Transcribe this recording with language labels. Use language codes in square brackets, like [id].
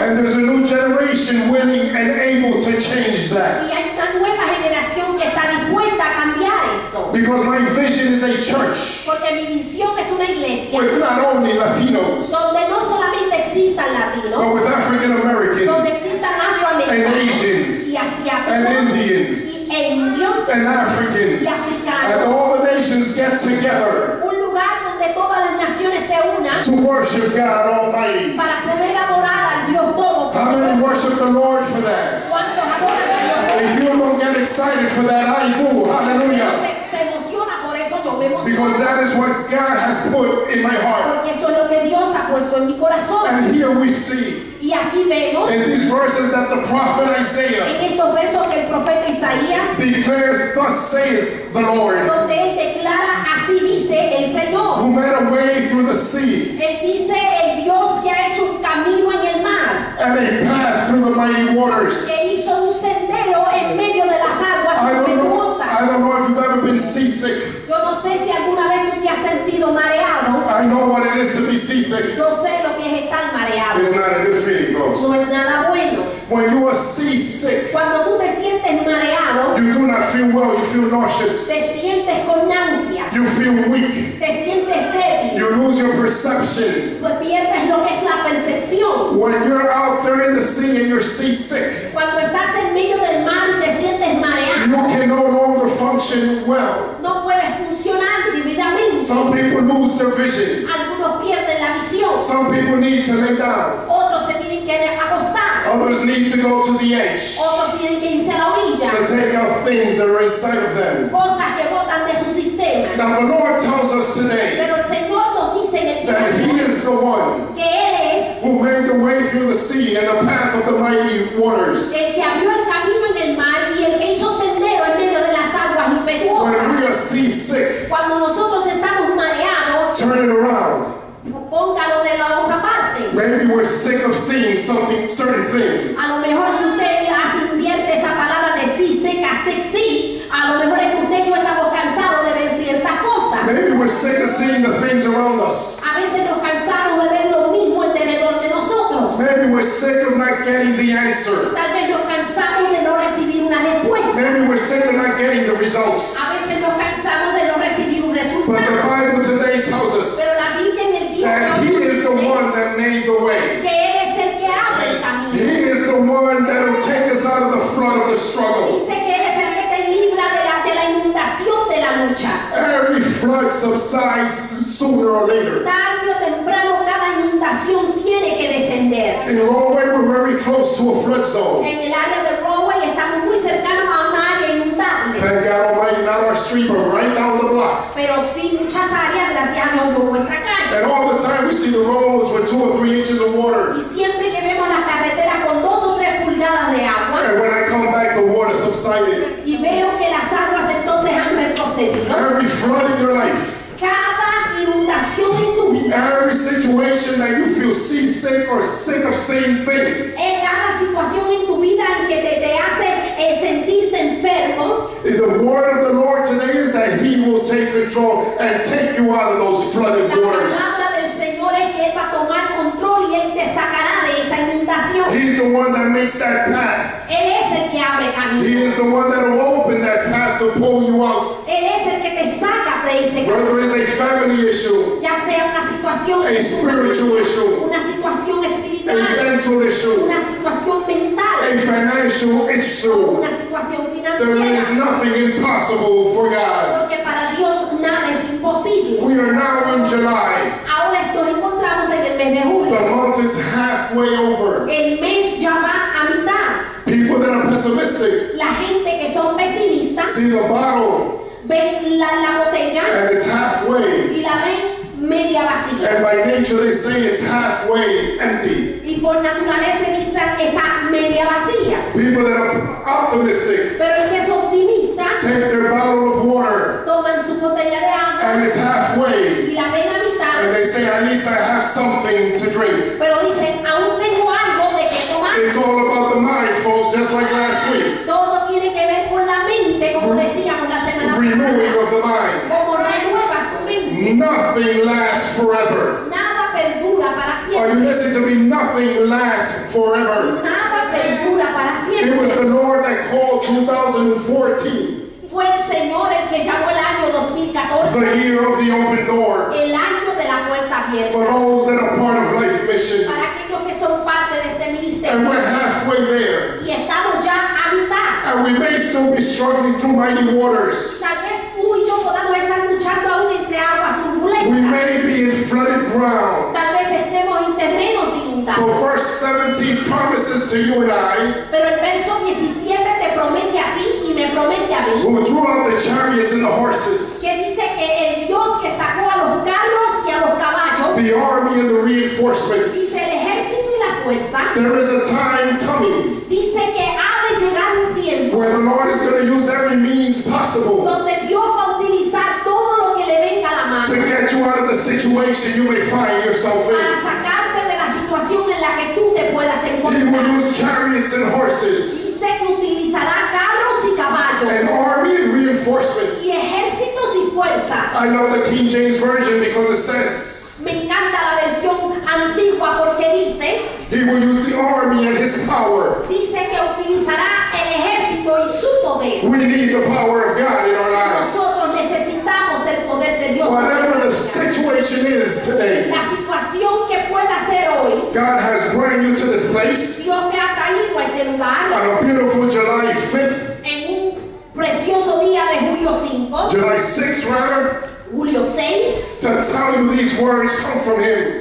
[en] And there's a new generation willing and able to change that. [es] Y hay una nueva generación que está dispuesta a cambiar esto. [en] Because my vision is a church. [es] Porque mi visión es una iglesia. [en] With not only Latinos. [es] Donde no solamente existan latinos. [en] But with African Americans. [es] Donde existan afroamericanos. [en] And Asians. [es] Y asiáticos. [en] And Indians. [es] E indios. [en] And Africans. [es] Y africanos. [en] And all the nations get together. [es] De todas las naciones se unan [en] to worship God Almighty. [es] Para poder adorar al Dios todo. [en] How many worship the Lord for that? [es] ¿Cuántos adoran a Dios? [en] If you don't get excited for that, I do. Hallelujah. [es] Se emociona por eso, yo me emociono. [en] Because that is what God has put in my heart. [es] Porque eso es lo que Dios ha puesto en mi corazón. [en] And here we see. [es] Y aquí vemos. [en] In these verses that the prophet Isaiah. [es] En estos versos que el profeta Isaías. [en] Declares, thus says the Lord. [es] Donde él declara, así dice el Señor. [en] Who made a way through the sea. [es] Él dice, el Dios que ha hecho un camino en el mar. [en] And a path through the mighty waters. [es] Que hizo un sendero en medio de las aguas impetuosas. [en] I don't know if you've ever been seasick. [es] Yo no sé si alguna vez tú te has sentido mareado. [en] I know what it is to be seasick. [es] Yo sé lo que es estar mareado. [en] It's not a good feeling, folks. [es] No es nada bueno. [en] When you are seasick, [es] cuando tú te sientes mareado, [en] you do not feel well, you feel nauseous. [es] Te sientes con náuseas. [en] You feel weak. [es] Te sientes débil. [en] You lose your perception. [es] Pues pierdes lo que es la percepción. [en] When you're out there in the sea and you're seasick, [es] cuando estás en medio del mar y te sientes mareado, [en] you can no longer function well. [es] No puedes funcionar debidamente. [en] Some people lose their vision. [es] Algunos pierden la visión. [en] Some people need to lay down. [es] Otros se tienen que acostar. [en] Others need to go to the edge. [es] Otros tienen que irse a la orilla. [en] To take out things that are inside of them. [es] Cosas que botan de su sistema. [en] Now the Lord tells us today. [es] Pero el Señor nos dice en el día [en] that He is the one. [es] Que Él es. [en] Who made the way through the sea and the path of the mighty waters. [es] Que abrió el camino en el mar y el que hizo sendero en medio de las aguas impetuosas. [en] When we are seasick. [es] Cuando nosotros estamos mareados. [en] Turn it around. [es] Póngalo de la otra parte. [en] Maybe we're sick of seeing something, certain things. [es] A lo mejor si usted ya se invierte esa palabra de sí, seca, sexy. A lo mejor es que usted y yo estamos cansados de ver ciertas cosas. [en] Maybe we're sick of seeing the things around us. [es] A veces nos cansamos de ver lo mismo alrededor de nosotros. [en] Maybe we're sick of not getting the answer. [es] Tal vez nos cansamos de no recibir una respuesta. [en] Maybe we're sick of not getting the results. [es] A veces nos cansamos de no recibir un resultado. [en] But the Bible today tells us. [es] Pero la Biblia en el [en] that He is the one that made the way. [es] Que él es el que abre el camino. [en] He is the one that will take us out of the flood of the struggle. [es] Dice que él es el que te libra de la inundación de la lucha. [en] Every flood subsides sooner or later. [es] Tarde o temprano cada inundación tiene que descender. [en] In Rahway we're very close to a flood zone. [es] En el área de Rahway estamos muy cercanos a un área inundable. [en] Thank God Almighty, not our street, but right down the block. [es] Pero sí muchas áreas gracias a Dios por nuestra casa. [en] And all the time we see the roads with 2 or 3 inches of water. [es] Y siempre que vemos las carreteras con 2 o 3 pulgadas de agua. [en] And when I come back, the water subsided. [es] Y veo que las aguas entonces han retrocedido. [en] Every flood in your life. [es] Cada inundación en tu vida. [en] Every situation that you feel seasick or sick of seeing things. [es] En cada situación en tu vida en que te hace sentirte enfermo. [en] The word of the Lord today is that He will take control and take you out of those flooded waters. [es] La palabra del Señor es que Él va a tomar control y Él te sacará de esa inundación. [en] He's the one that makes that path. [es] Él es el que abre camino. [en] He is the one that will open that path to pull you out. [es] Él es el que te saca de ese camino. [en] Whether it's a family issue, [es] ya sea una situación, [en] a spiritual issue, [es] una situación espiritual, [en] a mental issue, [es] una situación mental, [en] a financial issue, [es] una situación financiera. [en] There is nothing impossible for God. [es] Porque para Dios nada es imposible. [en] We are now in July. [es] Ahora nos encontramos en el mes de julio. [en] The month is halfway over. [es] El mes ya va a mitad. [en] People that are pessimistic. [es] La gente que son pesimistas. [en] See the bottle. [es] Ven la botella. [en] And it's halfway. [es] Y la ven media vacía. [en] And by nature they say it's halfway empty. [es] Y por naturaleza dicen que está media vacía. [en] People that are optimistic. [es] Pero el que es optimista. [en] Take their bottle of water. [es] Toman su botella de agua. [en] And it's halfway. [es] Y la ven a mitad. [en] And they say, at least I have something to drink. [es] Pero dicen, aún tengo algo de que tomar. [en] It's all about the mind, folks, just like last week. [es] Todo tiene que ver con la mente, como decíamos la semana pasada. [en] Renewing of the mind. [es] Como renuevas tu mente. [en] Nothing lasts forever. [es] Nada perdura para siempre. [en] Are you listening? misery, nothing lasts forever. [es] Nada perdura para siempre. [en] It was the Lord that called 2014. [es] Fue el Señor el que llamó el año 2014. [en] The year of the open door. [es] El año de la puerta abierta. [en] For those that are part of Life Mission. [es] Para aquellos que son parte de este ministerio. [en] And we're halfway there. [es] Y estamos ya a mitad. [en] And we may still be struggling through mighty waters. [es] Tal vez tú y yo podamos estar luchando aún entre aguas turbulentas. [en] We may be in flooded ground. [es] Tal vez estemos en terrenos inundados. [en] But verse 17 promises to you and I. [es] Pero el verso 17 te promete a ti. [en] Who drew out the chariots and the horses? [es] Que dice que el Dios que sacó a los carros y a los caballos. [en] The army and the reinforcements. [es] Dice el ejército y la fuerza. [en] There is a time coming. [es] Dice que ha de llegar un tiempo. [en] Where the Lord is going to use every means possible. [es] Donde Dios va a utilizar todo lo que le venga a la mano. [en] To get you out of the situation you may find yourself in. [es] Para sacarte de la situación en la que tú te puedas encontrar. [en] He will use chariots and horses. [es] Dice que utilizará carros y caballos. [en] And army and reinforcements. [es] Y ejércitos y fuerzas. [en] I love the King James Version because it says. [es] Me encanta la versión antigua porque dice. [en] He will use the army and his power. [es] Dice que utilizará el ejército y su poder. [en] We need the power of God in our lives. [es] Nosotros necesitamos el poder de Dios. [en] Whatever the situation is today. [es] La situación que pueda ser hoy. [en] God has brought you to this place. [es] Dios me ha traído a este lugar. [en] On a beautiful July 5th. [es] Precioso día de julio 5. [en] July 6, rather. [es] Julio 6. [en] To tell you these words come from him.